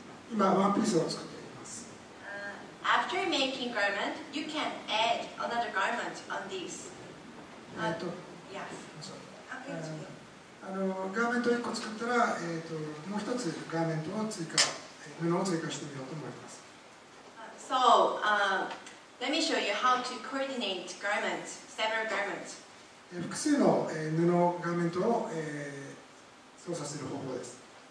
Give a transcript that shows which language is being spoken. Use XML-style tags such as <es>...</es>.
<ja>今ワンピースを作っています。</ja> <en>After making garment, you can add another garment on this.</en> <ja>ガーメントを1個作ったら、もう1つガーメントを追加、布を追加してみようと思います。</ja> <en>So, let me show you how to coordinate garments, several garments.</en> <ja>複数の布ガーメントを操作する方法です。</ja>